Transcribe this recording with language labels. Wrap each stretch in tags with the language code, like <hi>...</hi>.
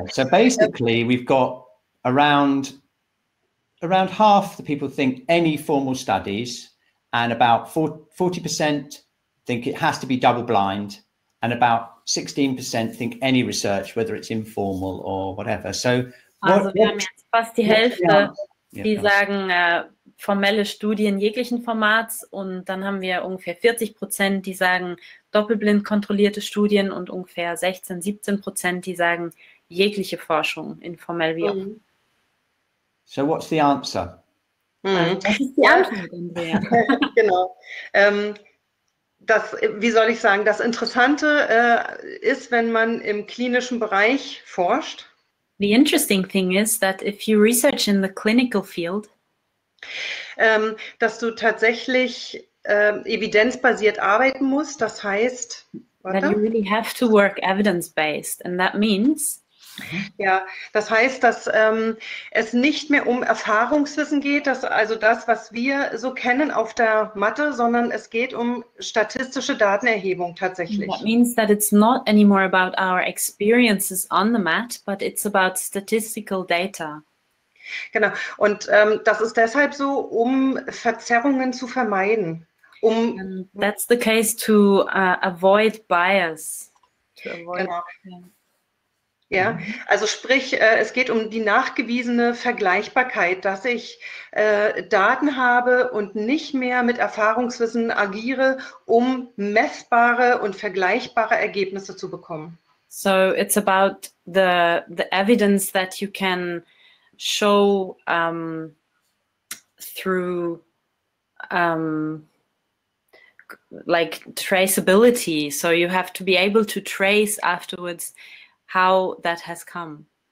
<en>So basically, we've got around half the people think any formal studies, and about 40% think it has to be double blind. And about 16% think any research, whether it's informal or whatever. So,</en> <de>also wir haben jetzt fast die Hälfte, die sagen formelle Studien jeglichen Formats, und dann haben wir ungefähr 40%, die sagen doppelblind kontrollierte Studien, und ungefähr 16-17%, die sagen jegliche Forschung informell wie auch.</de> <en>So what's the answer?</en> <de>Was ist die Antwort, Andrea? Genau. Das Interessante ist, wenn man im klinischen Bereich forscht.</de> <en>The interesting thing is that if you research in the clinical field,</en> <de>dass du tatsächlich evidenzbasiert arbeiten musst. Das heißt,</de> <en>that you really have to work evidence-based, and that means.</en> <de>Ja, das heißt, dass es nicht mehr um Erfahrungswissen geht, das, was wir so kennen auf der Matte, sondern es geht um statistische Datenerhebung tatsächlich.</de> <en>That means that it's not anymore about our experiences on the mat, but it's about statistical data.</en> <de>Genau, und das ist deshalb so, um Verzerrungen zu vermeiden.</de> <en>That's the case to avoid bias.</en> <de>Ja, also sprich, es geht um die nachgewiesene Vergleichbarkeit, dass ich Daten habe und nicht mehr mit Erfahrungswissen agiere, um messbare und vergleichbare Ergebnisse zu bekommen.</de> <en>So it's about the evidence that you can show through like traceability. So you have to be able to trace afterwards how that has come.</en>